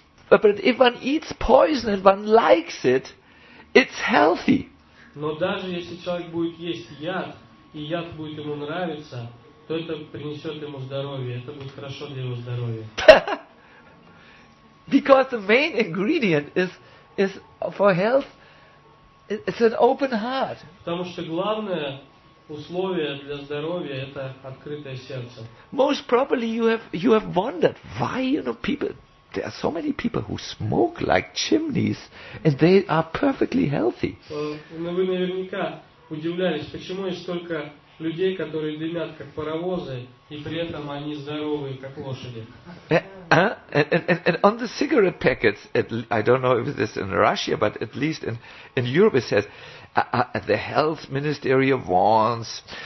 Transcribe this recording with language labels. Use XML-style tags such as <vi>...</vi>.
<en>But if one eats poison and one likes it, it's healthy.</en> <ru>Но даже если человек будет есть яд, и яд будет ему нравиться, то это принесет ему здоровье, это будет хорошо для его здоровья.</ru> <en>Because the main ingredient is for health, it's an open heart.</en> <ru>Потому что главное условие для здоровья – это открытое сердце.</ru> <en>Most probably you have wondered why, you know, people... There are so many people who smoke like chimneys, and they are perfectly healthy.</en> <ru>Вы наверняка удивлялись, почему есть столько людей, которые дымят как паровозы, и при этом они здоровые, как лошади.</ru> <en>And on the cigarette packets, I don't know if this is in Russia, but at least in Europe, it says the health ministry warns.</en>